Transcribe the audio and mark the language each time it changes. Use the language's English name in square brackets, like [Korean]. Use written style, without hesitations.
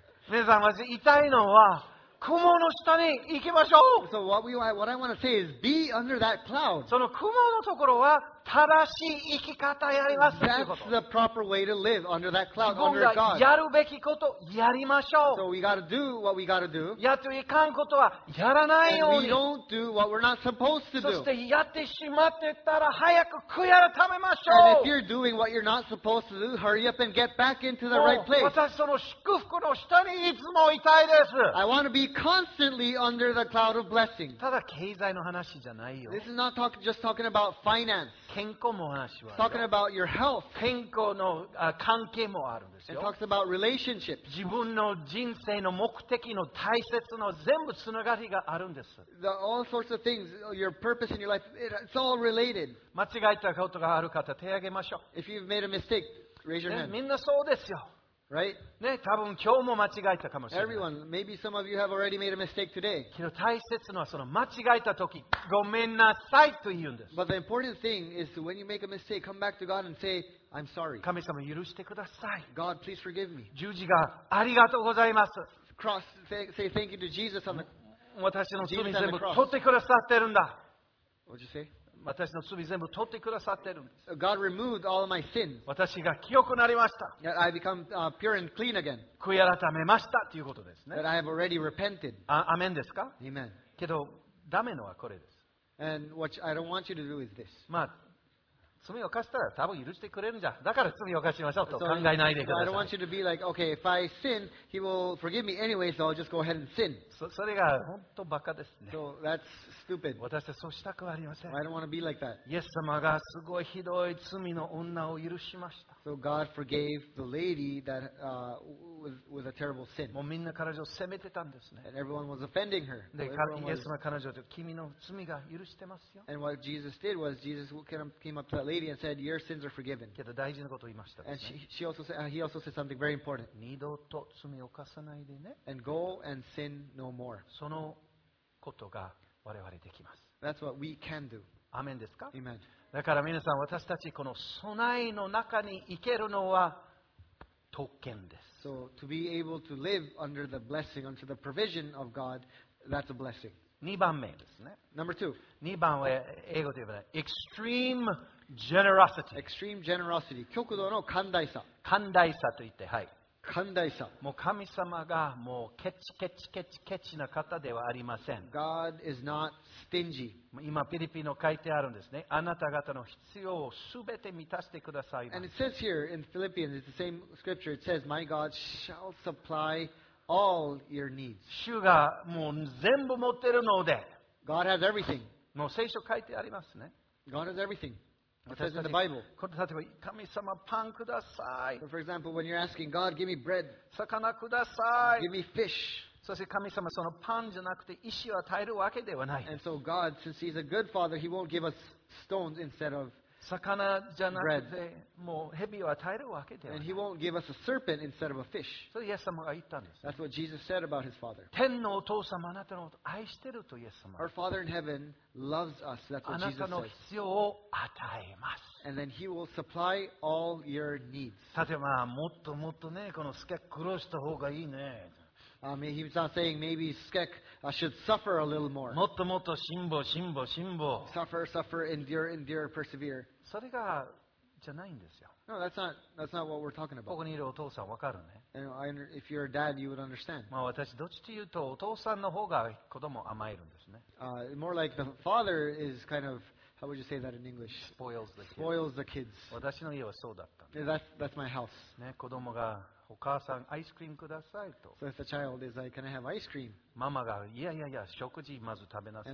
[Japanese] 皆さん、まず言いたいのは、雲の下に行きましょう。 [English] So what I want to say is be under that cloud. [Japanese] その雲のところは正しい生き方やります。 [English] That's the proper way to live under that cloud, under God. [Japanese] 自分がやるべきことやりましょう。 [English] So we got to do what we got to do. [Japanese] やっていかんことはやらないように。 [English] And we don't do what we're not supposed to do. [Japanese] そしてやってしまってたら早く悔い改めましょう。 [English] And if you're doing what you're not supposed to do, hurry up and get back into the right place. [Japanese] 私その祝福の下にいつもいたいです。 [English] I want to be constantly under the cloud of blessing. [Japanese] ただ経済の話じゃないよ。 [English] This is not just talking about finance. [Japanese] 健康も話はある。 [English] It's talking about your health. [Japanese] 健康の関係もあるんですよ。 [English] It talks about relationships. [Japanese] 自分の人生の目的の大切の全部つながりがあるんです。 [English] The all sorts of things, your purpose in your life, it's all related. [Japanese] 間違えたことがある方、手を挙げましょう。 [English] If you've made a mistake, raise your hand. [Japanese] みんなそうですよ。 [English] Right? [Japanese] ね、多分今日も間違えたかもしれない。 [English] Everyone, maybe some of you have already made a mistake today. [Japanese] けど大切のはその間違えた時、ごめんなさいと言うんです。 [English] But the important thing is when you make a mistake, come back to God and say, I'm sorry. [Japanese] 神様許してください。 [English] God, please forgive me. [Japanese] 十字架ありがとうございます。 [English] Cross, say thank you to Jesus on the cross. [Japanese] 私の罪全部取ってくださってるんだ。 [English] What'd you say? [Japanese] 私の罪全部取ってくださってるんです。 [English] God removed all of my sins. [Japanese] 私が清くなりました。 [English] I become pure and clean again. [Japanese] 悔い改めましたということですね。 [English] That I have already repented. [Japanese] アメンですか？ [English] Amen. [Japanese] けど、ダメのはこれです。 [English] And what I don't want you to do is this. [Japanese] まあ、罪を犯したら多分許してくれるんじゃ。だから罪を犯しましょうと考えないでください。 [English] So, I don't want you to be like, okay, if I sin, he will forgive me anyway, so I'll just go ahead and sin. [Japanese] それが本当バカですね。 [English] So that's stupid. [Japanese] 私たちそうしたくはありません。 [English] I don't want to be like that. [Japanese] イエス様がすごいひどい罪の女を許しました。 [English] So God forgave the lady that was a terrible sin. [Japanese] もうみんな彼女を責めてたんですね。 [English] And everyone was offending her. [Japanese] で、イエス様は彼女と君の罪が許してますよ。 [English] And what Jesus did was Jesus came up to that lady. lady and said, "Your sins are forgiven." [Japanese] けど大事なことを言いましたですね。 [English] And he also said something very important. [Japanese] 二度と罪を犯さないでね。 [English] And go and sin no more. [Japanese] そのことが我々できます。 [English] That's what we can do. [Japanese] アメンですか？ [English] Amen. [Japanese] だから皆さん、私たちこの備えの中に行けるのは特権です。 [English] So to be able to live under the blessing, under the provision of God, that's a blessing. [Japanese] 2番目ですね。 [English] Number two. [Japanese] 2番は英語で言えば、 [English] extreme generosity。 extreme generosity。 [Japanese] 極度の寛大さ。寛大さと言って、はい。寛大さ。もう神様がもうケチケチケチケチな方ではありません。 [English] God is not stingy。 [Japanese] 今、フィリピンの書いてあるんですね。あなた方の必要をすべて満たしてください。 [English] And it says here in Philippians, it's the same scripture, it says, My God shall supply. All your needs. [Japanese] 主がもう全部持ってるので。 [English] God has everything. [Japanese] もう聖書書いてありますね。 [English] God has everything. It says in the Bible. [Japanese] 例えば神様パンください。 [English] For example, when you're asking God, give me bread. [Japanese] 魚ください。 [English] Give me fish. [Japanese] そして神様そのパンじゃなくて石を与えるわけではない。 [English] And so God, since He's a good Father, He won't give us stones instead of bread. [Japanese] 魚じゃなくてもう蛇を与えるわけではない。 [English] And he won't give us a serpent instead of a fish. [Japanese] そうイエス様が言ったんです、ね。 [English] That's what Jesus said about his father. [Japanese] 天のお父様、あなたのことを愛してるとイエス様。 [English] Our father in heaven loves us. That's what Jesus said. [Japanese] あなたの必要を与えます。 [English] And then he will supply all your needs. [Japanese] さてまあもっともっとねこのスケッグ苦労した方がいいね。 [English] He's not saying maybe Skek should suffer a little more. [Japanese] もっともっと辛抱辛抱辛抱 [English] Suffer, suffer, endure, endure, persevere. [Japanese] それがじゃないんですよ。 [English] No, that's not what we're talking about. [Japanese] ここにいるお父さんわかるね。 [English] If you're a dad, you would understand. [Japanese] まあ私どっちというとお父さんの方が子供甘えるんですね。 [English] More like the father is kind of how would you say that in English? Spoils the kids. [Japanese] 私の家はそうだった。 [English] That's my house. [Japanese] ね子供がお母さんアイスクリームくださいと。 [English] So if the child is like, can I have ice cream? [Japanese] ママがいやいやいや食事まず食べなさい。